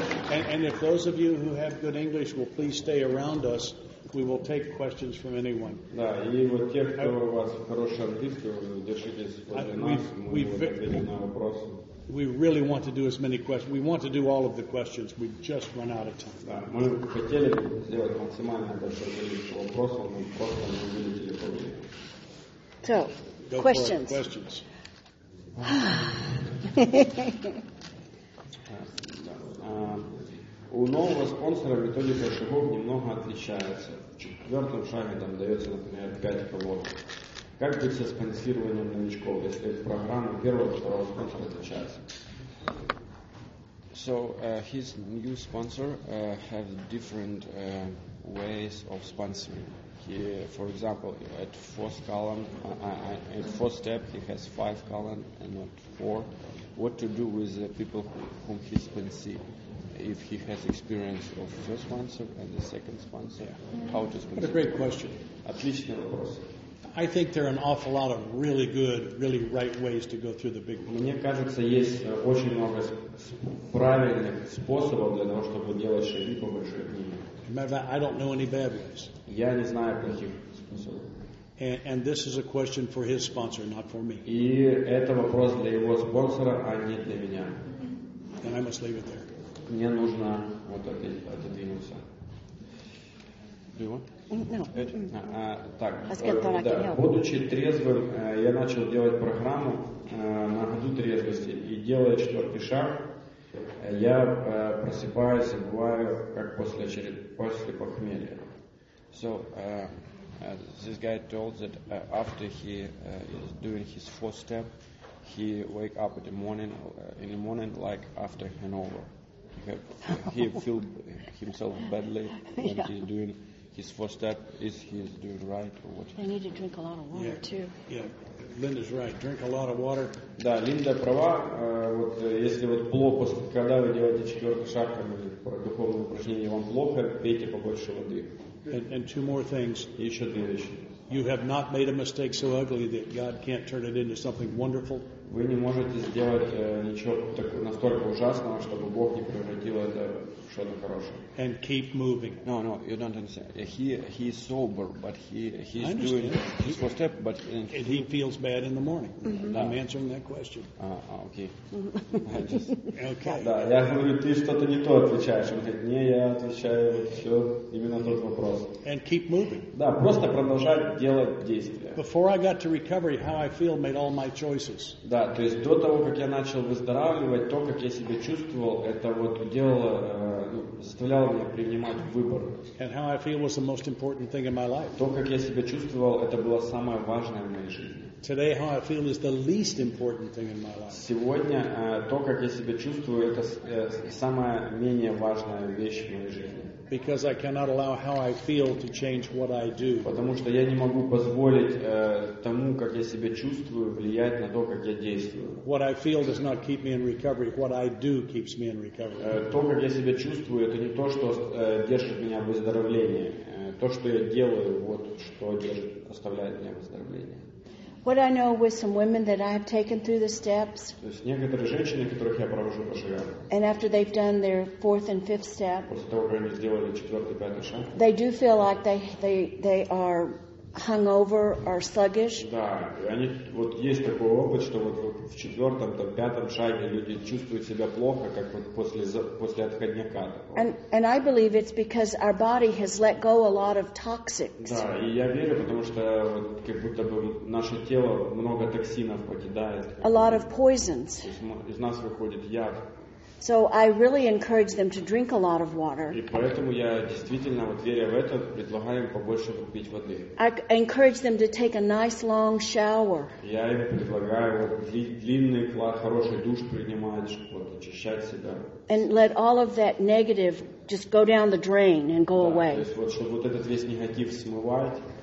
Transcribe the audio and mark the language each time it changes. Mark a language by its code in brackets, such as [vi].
[en] And if those of you who have good English will please stay around us, we will take questions from anyone. [ru] Да, и вот те, кто у вас хороший английский, держитесь возле нас, мы ответим на вопросы. [en] We really want to do as many questions. We want to do all of the questions. We just run out of time. So, questions. Questions. [ru] У нового спонсора методика шагов немного отличается. В четвертом шаге там дается, например, 5 колонок. Как быть со спонсированием новичков, если программа первого, второго спонсора отличается? [en] So his new sponsor has different ways of sponsoring. He, for example, at fourth column, at fourth step, he has 5 column and not 4. What to do with the people whom he sponsors? if he has experience of the first sponsor and the second sponsor. Yeah. How to sponsor? What a great question. [ru] Отличный вопрос. [en] I think there are an awful lot of really good, really right ways to go through the big book. [ru] Мне кажется, есть очень много правильных способов для того, чтобы делать шаги по большой книге. [en] Matter of fact, I don't know any bad ways. [ru] Я не знаю плохих способов. [en] And this is a question for his sponsor, not for me. [ru] И это вопрос для его спонсора, а не для меня. [en] And I must leave it there. [ru] Мне нужно вот отодвинуться. [en] Do you want? [ru] Так, будучи трезвым, я начал делать программу на году трезвости. И делая четвертый шаг, я просыпаюсь и бываю как после похмелья. [en] So, this guy told that after he is doing his fourth step, he wake up in the morning, like after hangover. He feel himself badly when yeah. he's doing his fourth step. Is he doing right or what? They need to drink a lot of water too. Yeah, Linda's right. Drink a lot of water. [ru] Да, Линда права. Вот если вот плохо, когда вы делаете четвертый шаг, там духовное упражнение, вам плохо, пейте побольше воды. [en] And two more things. You have not made a mistake so ugly that God can't turn it into something wonderful. [ru] Вы не можете сделать ничего настолько ужасного, чтобы Бог не превратил это в что-то хорошее. [en] And keep moving. No, you don't understand. He is sober, but he's doing his first step, but and he feels bad in the morning. Mm-hmm. I'm answering that question. Okay. Okay. [ru] Да, я говорю, ты что-то не то отвечаешь. Он говорит, не, я отвечаю все именно тот вопрос. [en] And keep moving. [ru] Да, просто продолжать делать действия. [en] Before I got to recovery, how I feel made all my choices. [ru] Да, то есть до того, как я начал выздоравливать, то, как я себя чувствовал, это вот делало, заставляло меня принимать выбор. [en] And how I feel was the most important thing in my life. [ru] То, как я себя чувствовал, это было самое важное в моей жизни. [en] Today, how I feel is the least important thing in my life. [ru] Сегодня, то, как я себя чувствую, это самая менее важная вещь в моей жизни. [en] Because I cannot allow how I feel to change what I do. [ru] Потому что я не могу позволить тому, как я себя чувствую, влиять на то, как я действую. [en] What I feel does not keep me in recovery. What I do keeps me in recovery. [ru] То, как я себя чувствую, это не то, что держит меня в выздоровлении. То, что я делаю, вот что оставляет меня в выздоровлении. [en] What I know with some women that I have taken through the steps. [ru] То есть некоторые женщины, которых я провожу по шагам. [en] And after they've done their fourth and fifth step. [ru] После того, как они сделали четвертый, пятый шаг. [en] They do feel like they are hungover or sluggish. [ru] Да, они вот есть такой опыт, что вот в четвертом, там пятом шаге люди чувствуют себя плохо, как вот после отходняка. [en] And I believe it's because our body has let go a lot of toxins. [ru] Да, и я верю, потому что вот как будто бы наше тело много токсинов покидает. [en] A лot of poisons. [ru] Из нас выходит яд. [en] So I really encourage them to drink a lot of water. [ru] И поэтому я действительно, вот веря в это, предлагаю им побольше попить воды. [en] I encourage them to take a nice long shower. [ru] Я им предлагаю вот длинный хороший душ принимать, вот очищать себя. [en] And let all of that negative just go down the drain and go away. [ru] То есть вот чтобы вот этот весь негатив смывать.